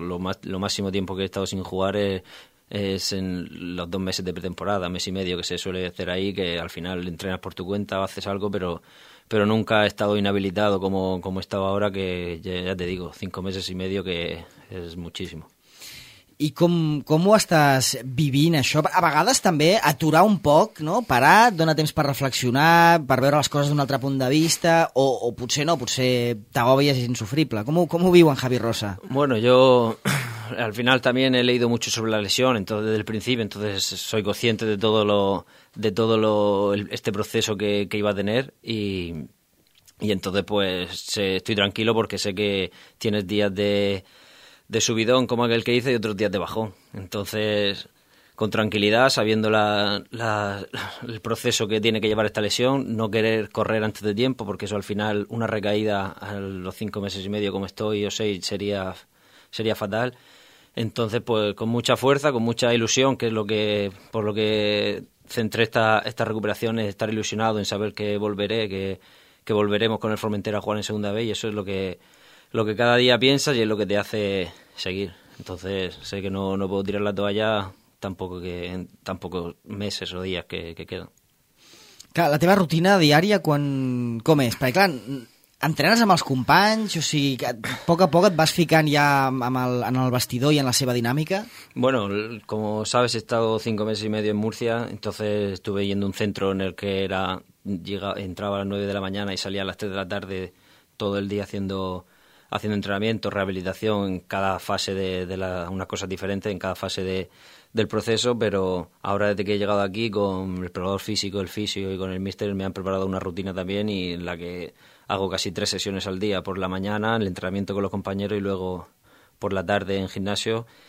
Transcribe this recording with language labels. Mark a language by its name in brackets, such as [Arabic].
[Spanish] Lo máximo tiempo que he estado sin jugar es en los 2 meses de pretemporada, mes y medio que se suele hacer ahí, que al final entrenas por tu cuenta o haces algo, pero nunca he estado inhabilitado como he estado ahora, que ya te digo, 5 meses y medio que es muchísimo. [Catalan] I com ho estàs vivint, això? A vegades també aturar un poc, no? Parar, donar temps per reflexionar, per veure les coses d'un altre punt de vista, o potser no, potser t'agobies i és insufrible. Com ho viu en Javi Rosa? [Spanish] Bueno, yo al final también he leído mucho sobre la lesión, entonces, desde el principio, entonces soy consciente de todo este proceso que iba a tener y entonces pues estoy tranquilo porque sé que tienes días de subidón, como aquel que hice, y otros días de bajón. Entonces, con tranquilidad, sabiendo el proceso que tiene que llevar esta lesión, no querer correr antes de tiempo, porque eso al final, una recaída a los 5 meses y medio como estoy, o 6, sería fatal. Entonces, pues con mucha fuerza, con mucha ilusión, que es por lo que centré esta recuperación, es estar ilusionado en saber que volveré, que volveremos con el Formentera a jugar en segunda B, y eso es lo que cada día piensas y es lo que te hace seguir. Entonces, sé que no puedo tirar la toalla tampoco meses o días que quedan. [Catalan] Clar, la teva rutina diària, quan, com és? Perquè, clar, entrenes amb els companys, o sigui, que a poc a poc et vas ficant ja en el vestidor i en la seva dinàmica? [Spanish] Bueno, como sabes, he estado 5 meses y medio en Murcia, entonces estuve yendo a un centro en el que entraba a las 9 de la mañana y salía a las 3 de la tarde todo el día haciendo entrenamiento, rehabilitación, en cada fase de unas cosas diferentes, en cada fase del proceso, pero ahora desde que he llegado aquí con el preparador físico, el fisio y con el míster me han preparado una rutina también y en la que hago casi 3 sesiones al día, por la mañana, el entrenamiento con los compañeros y luego por la tarde en gimnasio